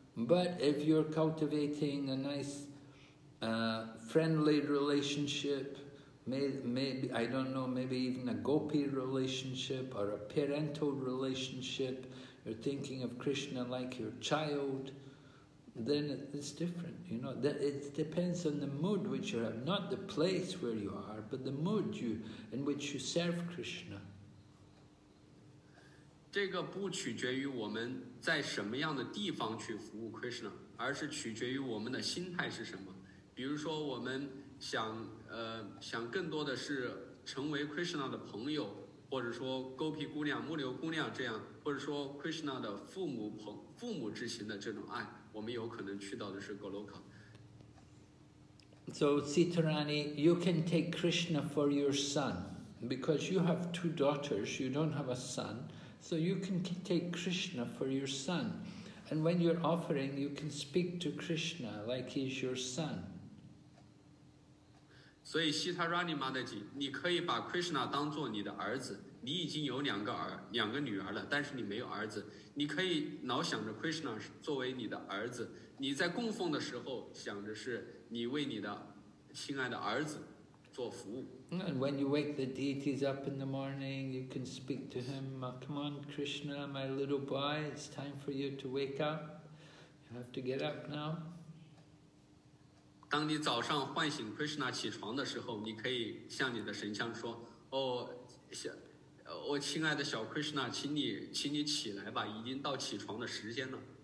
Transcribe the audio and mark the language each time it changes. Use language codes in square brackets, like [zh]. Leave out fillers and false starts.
[en] But if you're cultivating a nice, friendly relationship, maybe even a gopi relationship or a parental relationship, you're thinking of Krishna like your child. Then it's different, you know. That it depends on the mood which you have, not the place where you are, but the mood you in which you serve Krishna. [zh] 这个不取决于我们在什么样的地方去服务 Krishna, 而是取决于我们的心态是什么。比如说，我们想更多的是成为 Krishna 的朋友，或者说勾皮姑娘、木流姑娘这样，或者说 Krishna 的父母之情的这种爱。我们有可能去到的是 Goloka. [en] So, Sitarani, you can take Krishna for your son. Because you have two daughters, you don't have a son. So you can take Krishna for your son. And when you're offering, you can speak to Krishna like he's your son. [zh] 所以 Sitarani Mataji, 你可以把 Krishna 当作你的儿子。你已经有两个女儿了，但是你没有儿子。你可以老想着 Krishna 作为你的儿子，你在供奉的时候想着是你为你的亲爱的儿子做服务。 [en] And when you wake the deities up in the morning, you can speak to him, "Come on, Krishna, my little boy, it's time for you to wake up. You have to get up now." [zh] 当你早上唤醒 Krishna 起床的时候，你可以向你的神像说，哦，我亲爱的小 Krishna, 请你起来吧，已经到起床的时间了。